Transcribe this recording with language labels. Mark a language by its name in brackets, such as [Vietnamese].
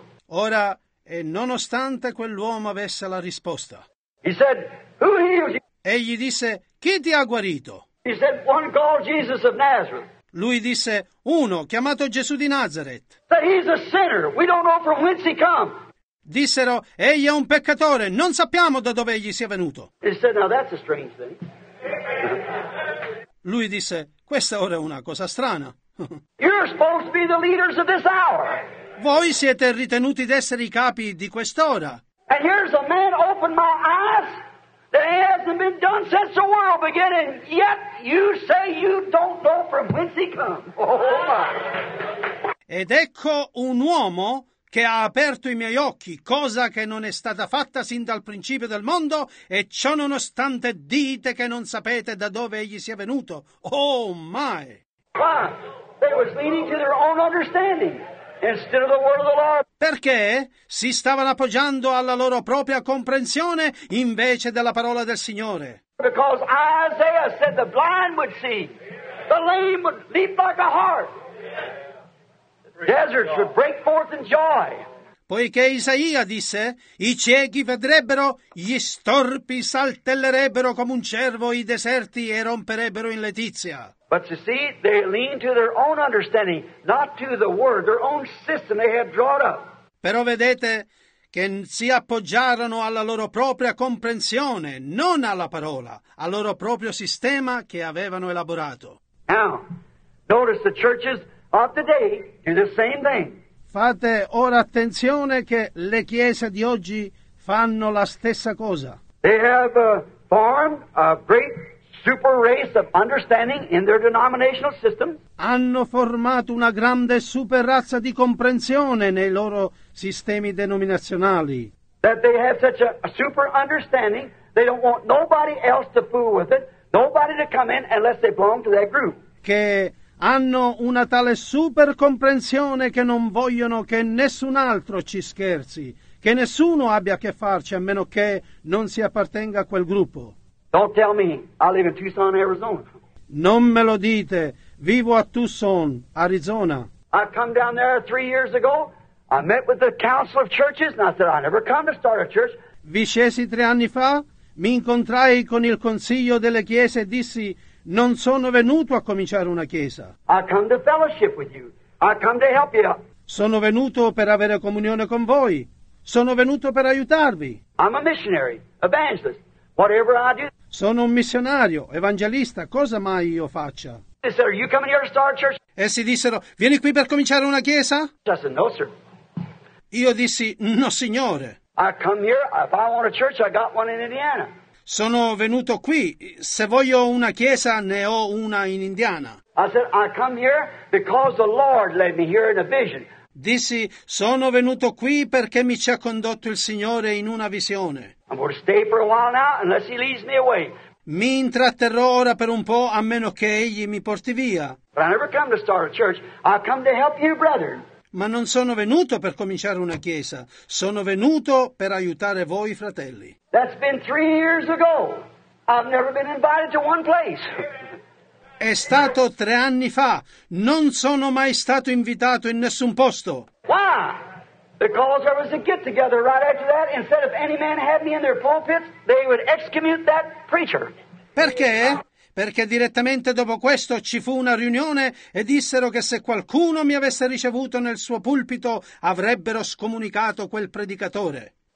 [Italian] Ora, e nonostante quell'uomo avesse la risposta. [English] He said, who healed you? [Italian] Egli disse, chi ti ha guarito? [English] He said, one called Jesus of Nazareth. [Italian] Lui disse, uno chiamato Gesù di Nazareth. [English] That he's a sinner. We don't know from whence he come. [Italian] Dissero, egli è un peccatore. Non sappiamo da dove egli sia venuto. [English] He said, now that's a strange thing. [Italian] Lui disse, questa ora è una cosa strana. [English] You're supposed to be the leaders of this hour. [Italian] Voi siete ritenuti d'essere i capi di quest'ora. [English] And here's a man opened my eyes. That hasn't been done since the world began, and yet you say you don't know from whence he comes. Oh my! [Italian] Ed ecco un uomo che ha aperto i miei occhi, cosa che non è stata fatta sin dal principio del mondo, e ciò nonostante dite che non sapete da dove egli sia venuto. [English] Oh my! Why? They was leaning to their own understanding. instead of the word of the Lord. [Italian] Perché si stavano appoggiando alla loro propria comprensione invece della parola del Signore. [English] Because Isaiah said the blind would see, the lame would leap like a hart, deserts would break forth in joy. [Italian] Poiché Isaia disse, i ciechi vedrebbero, gli storpi saltellerebbero come un cervo, i deserti e romperebbero in letizia. [English] But you see, they leaned to their own understanding, not to the word, their own system they had drawn up. [Italian] Però vedete che si appoggiarono alla loro propria comprensione, non alla parola, al loro proprio sistema che avevano elaborato. [English] Now, notice the churches of today do the same thing. [Italian] Fate ora attenzione che le chiese di oggi fanno la stessa cosa. [English] They have formed a great super race of understanding in their denominational system. [Italian] Hanno formato una grande super razza di comprensione nei loro sistemi denominazionali. [English] That they have such a super understanding, they don't want nobody else to fool with it, nobody to come in unless they belong to that group. [Italian] Che hanno una tale super comprensione che non vogliono che nessun altro ci scherzi, che nessuno abbia a che farci a meno che non si appartenga a quel gruppo. [English] Don't tell me, I live in Tucson, Arizona. [Italian] Non me lo dite, vivo a Tucson, Arizona. [English] I come down there 3 years ago, I met with the council of churches and I said, I never come to start a church. [Italian] Vi scesi 3 anni fa, mi incontrai con il consiglio delle chiese e dissi, non sono venuto a cominciare una chiesa. [English] I come to fellowship with you. I come to help you. [Italian] Sono venuto per avere comunione con voi. Sono venuto per aiutarvi. [English] I'm a missionary, evangelist. Whatever I do. [Italian] Sono un missionario, evangelista. Cosa mai io faccia? [English] They said, are you coming here to start a church? [Italian] Essi dissero, vieni qui per cominciare una chiesa? [English] I said, no, sir. [Italian] Io dissi, no, signore. [English] I come here, if I want a church, I got one in Indiana. [Italian] Sono venuto qui. Se voglio una chiesa, ne ho una in Indiana. [English] I said, I come here because the Lord led me here in a vision. [Italian] Dissi, sono venuto qui perché mi ci ha condotto il Signore in una visione. [English] I'm going to stay for a while now unless he leads me away. [Italian] Mi intratterrò ora per un po' a meno che egli mi porti via. [English] But I never come to start a church. I come to help you, brother. [Italian] Ma non sono venuto per cominciare una chiesa, sono venuto per aiutare voi, fratelli. [English] That's been 3 years ago. I've never been invited to one place. [Italian] È stato 3 anni fa. Non sono mai stato invitato in nessun posto. [English] Why? Because there was a get together right after that. Instead of any man had me in their pulpit, they would excommunicate that preacher. [Italian] Perché? Perché direttamente dopo questo ci fu una riunione e dissero che se qualcuno mi avesse ricevuto nel suo pulpito avrebbero scomunicato quel predicatore.